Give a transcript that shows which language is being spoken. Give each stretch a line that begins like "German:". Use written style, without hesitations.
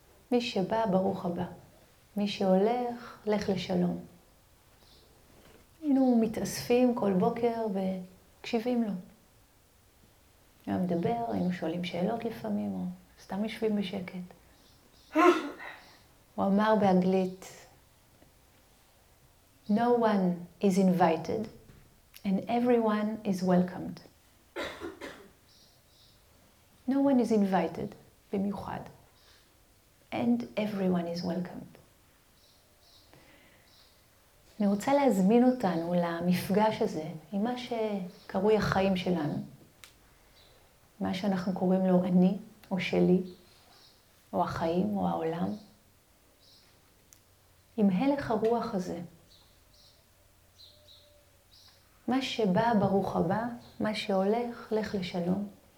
Hebrew: מי שבא, ברוך הבא. מי שהולך, לך לשלום. היינו מתאספים כל בוקר וקשיבים לו. היה מדבר, היינו שואלים שאלות לפעמים, או סתם יושבים בשקט. הוא אמר באנגלית,
English: No one is invited and everyone is welcomed. No one is invited
Hebrew: במיוחד
English: and everyone is welcomed.
Hebrew: אני רוצה להזמין אותנו למפגש הזה עם מה שקרוי החיים שלנו, מה שאנחנו קוראים לו אני או שלי, או החיים או העולם. עם הלך הרוח הזה, מה שבא ברוך הבא, מה שהולך לך לשלום.